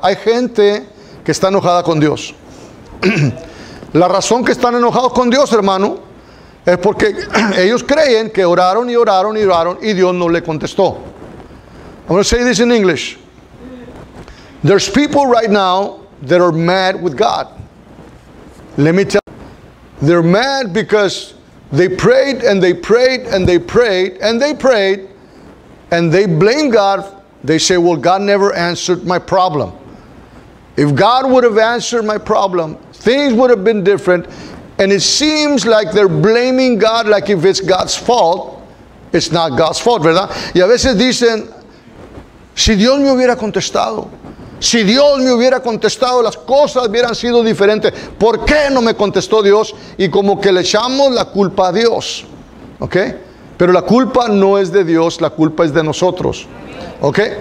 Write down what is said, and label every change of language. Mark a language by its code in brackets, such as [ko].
[es] Hay gente que está enojada con Dios. La razón que están enojados con Dios, hermano, es porque ellos creen que oraron y oraron y oraron y Dios no le contestó. [en] I'm going to say this in English. There's people right now that are mad with God. Let me tell you. They're mad because they prayed and they prayed and they prayed and they prayed and they blame God. They say, well, God never answered my problem. If God would have answered my problem, things would have been different. And it seems like they're blaming God, like if it's God's fault, it's not God's fault, ¿verdad? [es] Y a veces dicen, si Dios me hubiera contestado, si Dios me hubiera contestado, las cosas hubieran sido diferentes. ¿Por qué no me contestó Dios? Y como que le echamos la culpa a Dios. ¿Ok? Pero la culpa no es de Dios, la culpa es de nosotros. ¿Ok?